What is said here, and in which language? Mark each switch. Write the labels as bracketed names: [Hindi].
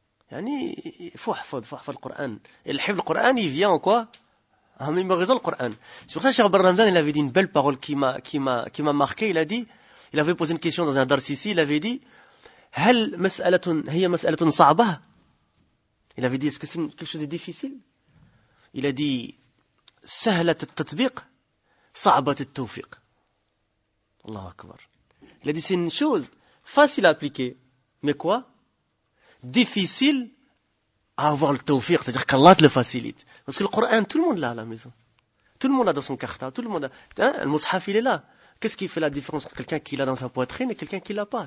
[French] Yani, il faut le Coran. Et le Coran, il vient en quoi? En mémorisant le Coran. C'est pour ça que Cheikh Barramdan, il avait dit une belle parole qui m'a marqué. Il a dit, il avait posé une question dans un dars ici, il avait dit, [Arabic] هل مسألة هي مسألة صعبة؟ [French] Il avait dit, est-ce que c'est quelque chose de difficile? Il a dit, [Arabic] سهلة التطبيق صعبة التوفيق. Allahu Akbar. [French] Il a dit, c'est une chose facile à appliquer. Mais quoi? Difficile à avoir le tawfiq, c'est-à-dire qu'Allah te le facilite. Parce que le Coran, tout le monde l'a à la maison. Tout le monde l'a dans son cartable, tout le monde a. Hein, le mushaf, il est là. Qu'est-ce qui fait la différence entre quelqu'un qui l'a dans sa poitrine et quelqu'un qui ne l'a pas?